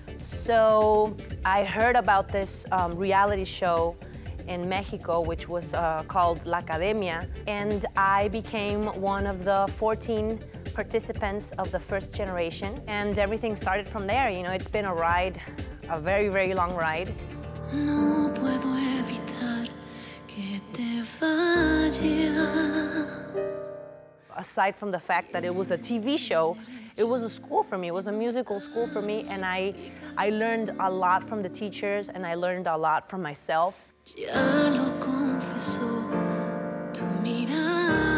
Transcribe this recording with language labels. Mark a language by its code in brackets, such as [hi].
[en] So I heard about this reality show in Mexico, which was called La Academia, and I became one of the 14 participants of the first generation, and everything started from there. You know, it's been a ride, a very, very long ride. [es] No puedo evitar que te vayas. [en] Aside from the fact that it was a TV show, it was a school for me, it was a musical school for me, and I learned a lot from the teachers, and I learned a lot from myself. [es] Ya lo confesó tu mirada.